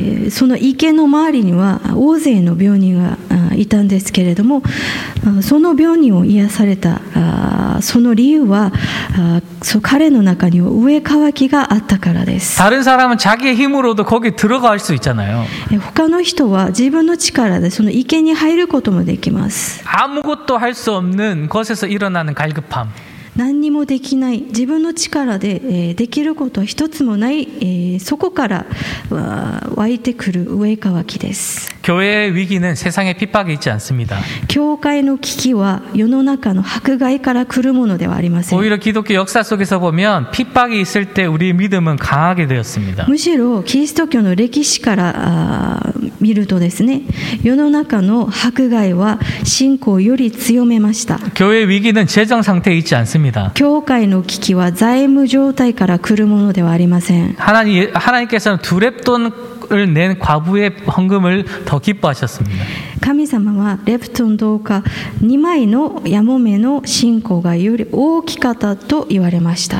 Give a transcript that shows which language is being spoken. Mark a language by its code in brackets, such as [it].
[ja] その池の周りには大勢の病人がいたんですけれどもその病人を癒されたその理由は彼の中には飢え渇きがあったからです [ko] 다른사람은자기의힘으로도거기들어갈수있잖아요 [ja] 他の人は自分の力でその池に入ることもできます [ko] 아무것도할수없는것에서일어나는갈급함 [ja] 何にもできない自分の力でできることは一つもないそこから湧いてくる飢え渇きです [ko] 교회의위기는세상의핍박에있지않습니다 [ja] 教会の危機は世の中の迫害から来るものではありません [ko] 오히려기독교역사속에서보면핍박이있을때우리의믿음은강하게되었습니다 [ja] むしろキリスト教の歴史から見るとですね世の中の迫害は信仰より強めました [ko] 교회의위기는재정상태에있지않습니다 [ja] 教会の危機は財務状態から来るものではありません [ko] 하나님께서는두렙돈을낸과부의헌금을더 더 기뻐하셨습니다. [ja] 神様はレプトンどうか2枚のヤモメの信仰がより大きかったと言われました。